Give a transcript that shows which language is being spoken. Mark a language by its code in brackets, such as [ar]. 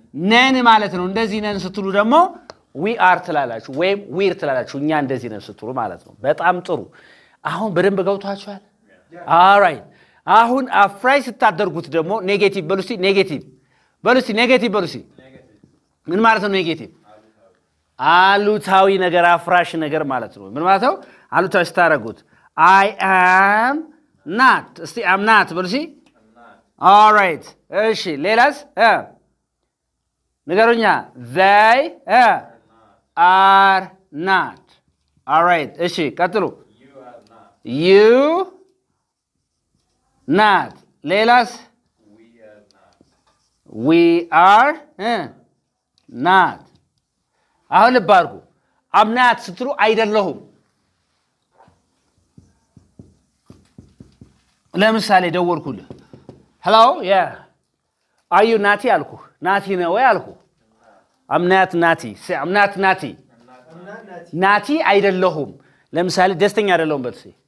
[am] ነን ማለት ነው እንደዚህ ነን ስትሉ ደግሞ we are ትላላችሁ ወይም we're ትላላችሁ እኛ እንደዚህ ነን ስትሉ ማለት ነው በጣም ጥሩ አሁን በደንብ ገብቷችኋል all right አሁን አፍራይ ስታደርጉት ደግሞ ኔጌቲቭ በሉሲ ኔጌቲቭ በሉሲ ኔጌቲቭ በሉሲ ምን ማለት ነው ኔጌቲቭ አሉታዊ ነገር አፍራሽ ነገር ማለት ነው ምን ማለት ነው አሉታዊ ስታደርጉት [en] I am not. [am] እስቲ I'm not ብለሽ? [en] All right. [am] እሺ ሌላስ? [en] ንገሩኛ they are not. All right. [am] እሺ ቀጥሉ. [en] You are not. You not. ሌላስ? We are not. We are not. [am] አሁን ልባርኩ. [en] I'm not [am] ስትሉ አይደለሁም. [en] ለምሳሌ ደወልኩል hello yeah are you nati አልኩ nati ነው ያልኩ i'm not nati say i'm not nati nati [am] አይደለሁም ለምሳሌ ደስተኛ አይደለሁም በልሲ